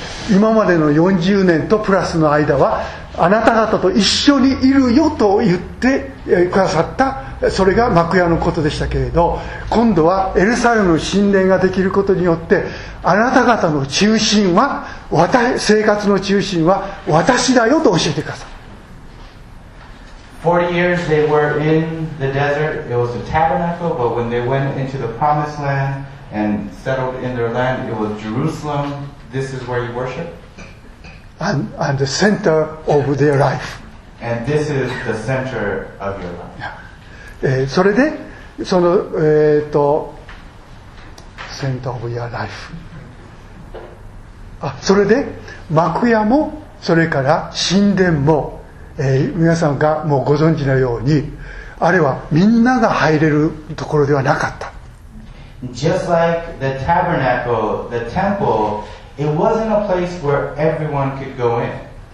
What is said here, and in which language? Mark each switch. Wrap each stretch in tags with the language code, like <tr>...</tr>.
<ja>今までの40年とプラスの間はあなた方と一緒にいるよと言ってくださった、それが幕屋のことでしたけれど、今度はエルサレムの神殿ができることによって、あなた方の中心は私、生活の中心は私だよと教えてください。</ja> <en>40 years they were in the desert. It was a tabernacle, but when they went into the promised land, and settled in their land. It was Jerusalem. This is where you worship. And the center of their life. And this is the center of your life. Yeah.</en> <ja>それでその</ja> <en>center of your life.</en> <ja>あ、それで幕屋もそれから神殿も、皆さんがもうご存知のようにあれはみんなが入れるところではなかった。</ja> <en>Just like the tabernacle, the temple, it wasn't a place where everyone could go in.</en>